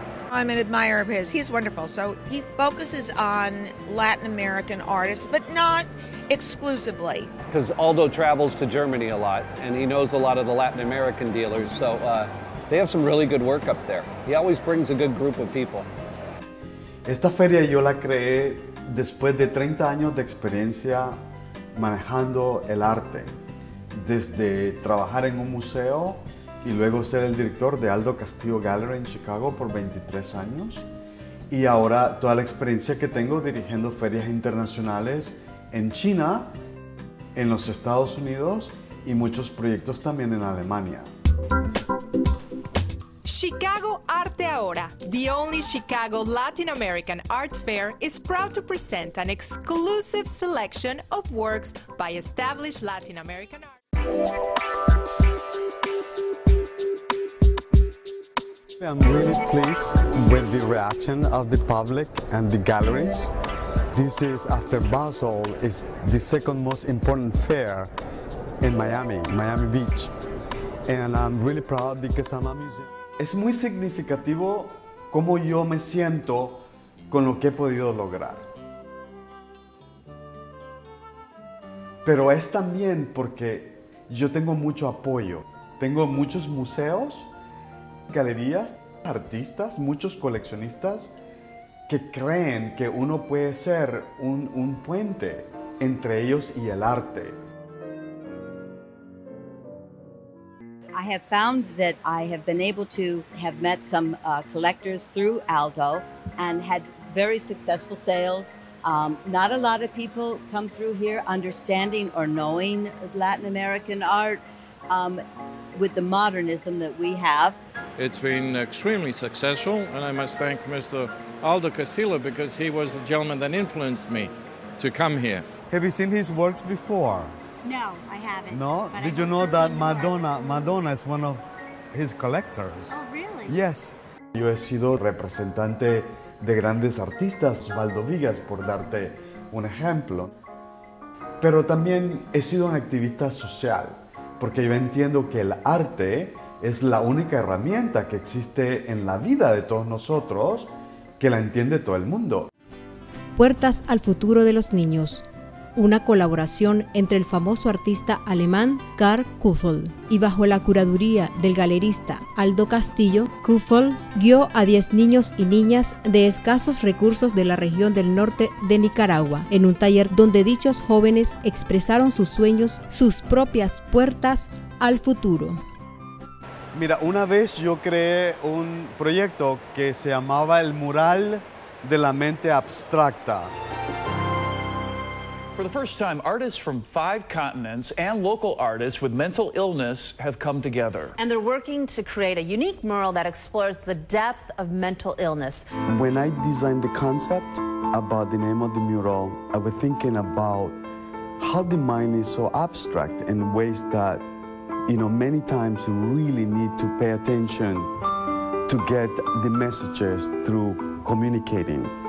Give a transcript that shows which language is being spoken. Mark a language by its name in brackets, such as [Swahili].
[English] I'm an admirer of his. He's wonderful. So he focuses on Latin American artists, but not exclusively. Because Aldo travels to Germany a lot, and he knows a lot of the Latin American dealers, so they have some really good work up there. He always brings a good group of people. [Spanish] Esta feria yo la creé después de 30 años de experiencia manejando el arte, desde trabajar en un museo y luego ser el director de Aldo Castillo Gallery en Chicago por 23 años, y ahora toda la experiencia que tengo dirigiendo ferias internacionales en China, en los Estados Unidos, y muchos proyectos también en Alemania. [English] Chicago Arte Ahora, the only Chicago Latin American art fair, is proud to present an exclusive selection of works by established Latin American artists. I'm really pleased with the reaction of the public and the galleries. This is, after Basel, is the second most important fair in Miami, Miami Beach. And I'm really proud because I'm a museum. [Spanish] Es muy significativo cómo yo me siento con lo que he podido lograr. Pero es también porque yo tengo mucho apoyo. Tengo muchos museos, galerías, artistas, muchos coleccionistas que creen que uno puede ser un puente entre ellos y el arte. [English] I have found that I have been able to have met some collectors through Aldo and had very successful sales. Not a lot of people come through here understanding or knowing Latin American art with the modernism that we have. It's been extremely successful, and I must thank Mr. Aldo Castillo, because he was the gentleman that influenced me to come here. Have you seen his works before? No, I haven't. No? Did you know that Madonna is one of his collectors? Oh, really? Yes. [Spanish] Yo he sido representante de grandes artistas, Osvaldo Vigas, por darte un ejemplo. Pero también he sido un activista social, porque yo entiendo que el arte es la única herramienta que existe en la vida de todos nosotros, que la entiende todo el mundo. Puertas al futuro de los niños, una colaboración entre el famoso artista alemán Karl Kuffel y bajo la curaduría del galerista Aldo Castillo, Kuffel guió a 10 niños y niñas de escasos recursos de la región del norte de Nicaragua en un taller donde dichos jóvenes expresaron sus sueños, sus propias puertas al futuro. Mira, una vez yo creé un proyecto que se llamaba El Mural de la Mente Abstracta. [English] For the first time, artists from 5 continents and local artists with mental illness have come together. And they're working to create a unique mural that explores the depth of mental illness. When I designed the concept about the name of the mural, I was thinking about how the mind is so abstract in ways that, you know, many times you really need to pay attention to get the messages through communicating.